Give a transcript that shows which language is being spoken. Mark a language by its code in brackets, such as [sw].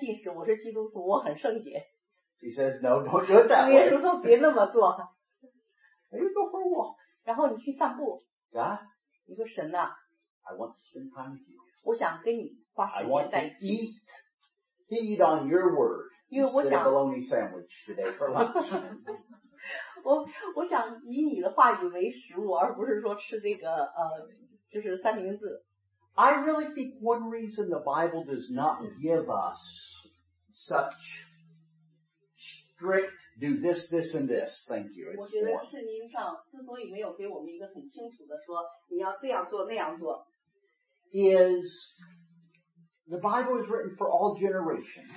[zh] 然后你不要跟人说,我不能跟你们一起吃饭,因为我在进食,我是基督徒,我很圣洁。 [en] He says, no, don't do it that way. [zh] 主耶稣说,别那么做。 [en] You go for a walk. [zh] 然后你去散步。 [en] God? [zh] 你说神啊, [en] I want to spend time with you. [zh] 我想跟你花时间在一起。 [en] I want to eat, feed on your word. Instead of bologna sandwich today for lunch. [zh] 我想以你的话语为食物,而不是说吃这个,就是三明治。 [en] I really think one reason the Bible does not give us such strict do this, this, and this. Thank you. Is the Bible is written for all generations.